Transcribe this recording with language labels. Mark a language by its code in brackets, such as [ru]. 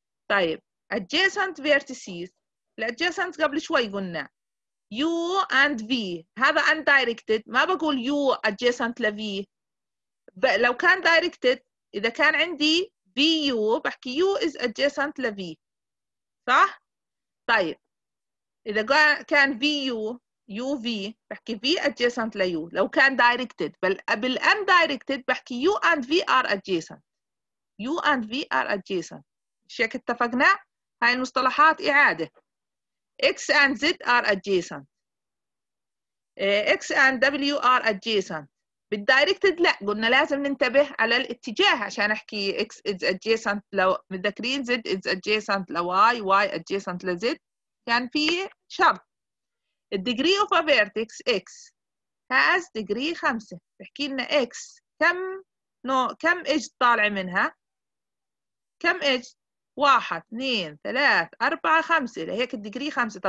[ar] طيب adjacent vertices، ال adjacent قبل شوي قلنا U and V، هذا undirected، ما بقول U adjacent ل V، لو كان directed إذا كان عندي V U بحكي [en] U is adjacent [ar] ل V، صح؟ طيب إذا كان V U U V بحكي V adjacent ل U لو كان directed، بل بال undirected بحكي [en] U and V are adjacent، [ar] U and V are adjacent. شيك اتفقنا؟ هاي المصطلحات إعادة. [en] X and Z are adjacent، X and W are adjacent. [ar] بالدايركتد لا، قلنا لازم ننتبه على الاتجاه عشان احكي [en] X is adjacent [ar] لو متذكرين Z is adjacent لو Y، Y adjacent لZ، كان في شرط. الدجري of a vertex X has degree 5، بحكي لنا X كم نوع كم إج طالع منها؟ كم إج؟ 1 2 3 4 5، لهيك الدجري 5.